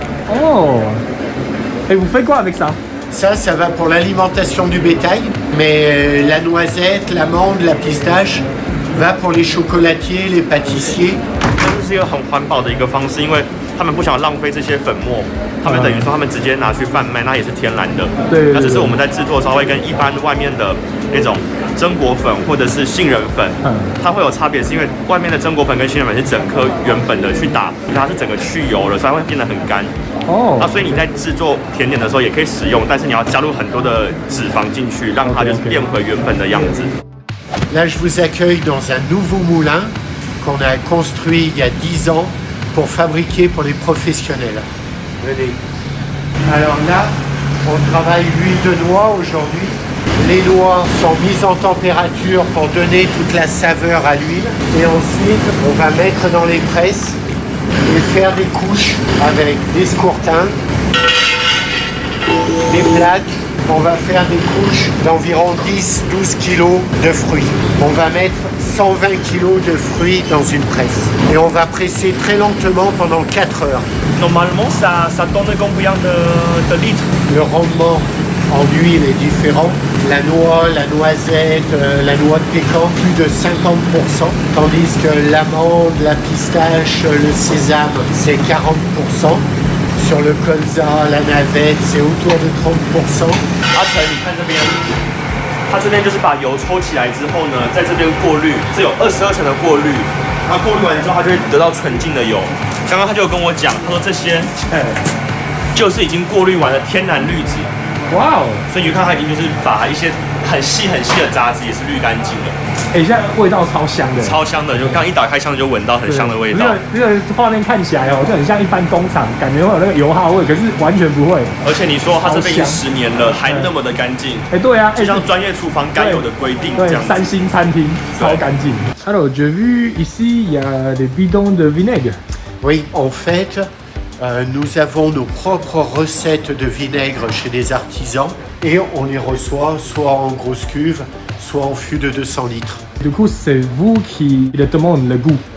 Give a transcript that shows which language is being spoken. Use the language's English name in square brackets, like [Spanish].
[French] Oh! Et vous faites quoi avec ça? Ça va pour l'alimentation du bétail, mais la noisette, l'amande, la pistache va pour les chocolatiers, les pâtissiers. C'est une façon très responsable, parce qu'ils ne veulent pas gaspiller ces fumeaux. [Chinese] 他们等于说，他们直接拿去贩卖，那也是天然的。对。那只是我们在制作的时候会跟一般外面的那种榛果粉或者是杏仁粉，它会有差别，是因为外面的榛果粉跟杏仁粉是整颗原本的去打，它是整个去油了，所以它会变得很干。哦。那所以你在制作甜点的时候也可以使用，但是你要加入很多的脂肪进去，让它就是变回原本的样子。 [French] Là, je vous accueille dans un nouveau moulin qu'on a construit il y a 10 ans pour fabriquer pour les professionnels. Venez. Alors là, on travaille l'huile de noix aujourd'hui. Les noix sont mises en température pour donner toute la saveur à l'huile. Et ensuite, on va mettre dans les presses et faire des couches avec des scourtins, des plaques. On va faire des couches d'environ 10-12 kg de fruits. On va mettre 120 kg de fruits dans une presse. Et on va presser très lentement pendant 4 heures. Normalement, ça donne combien de litres? Le rendement en huile est différent. La noix, la noisette, la noix de pécan, plus de 50%. Tandis que l'amande, la pistache, le sésame, c'est 40%. Sur le colza, la navette, c'est autour de 30%. [Chinese] Achen, 它这边就是把油抽起来之后呢，在这边过滤，这有22层的过滤。它过滤完之后，它就会得到纯净的油。刚刚他就跟我讲，他说这些就是已经过滤完的天然滤纸。哇哦！所以你看，他已经就是把一些很细很细的杂质也是滤干净了。哎，现在味道超香的，超香的，就刚一打开箱子就闻到很香的味道。这个画面看起来哦，就很像一般工厂，感觉会有那个油耗味，可是完全不会。而且你说它这边已经十年了，还那么的干净。哎，对啊，就像专业厨房该有的规定这样。三星餐厅超干净。 [French] Alors, j'ai vu ici il y a des bidons de vinaigre. Oui, en fait, nous avons nos propres recettes de vinaigre chez des artisans et on les reçoit soit en grosse cuve. Soit en fût de 200 litres. Du coup, c'est vous qui demandez le goût.